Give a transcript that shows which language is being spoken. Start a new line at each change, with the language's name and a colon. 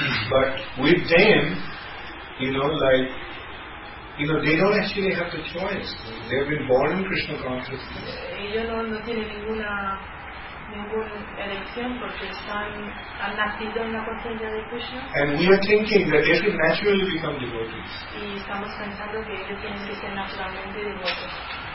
English: But with them, you know, they don't actually have the choice. They've been born in Krishna consciousness.
Spanish: Ellos no tienen ninguna elección porque han nacido en la conciencia de Krishna.
English: And we are thinking that they should naturally become devotees.
Spanish: Y estamos pensando que ellos tienen que ser naturalmente devotos.